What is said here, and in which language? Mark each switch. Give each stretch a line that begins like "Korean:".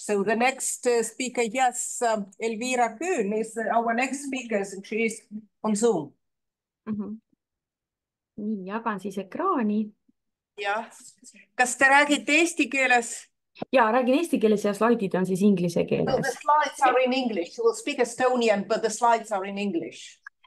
English: So the next speaker, yes, Elvira Kühn is our next speaker, and she is on Zoom.
Estonian: Mm-hmm. Nii, jagan siis ekraani. Ja, kas te räägite eesti keeles? Ja, räägin eesti keeles ja slaidid on siis inglise keeles.
English: No, the slides are in English. We'll speak Estonian, but the slides are in English.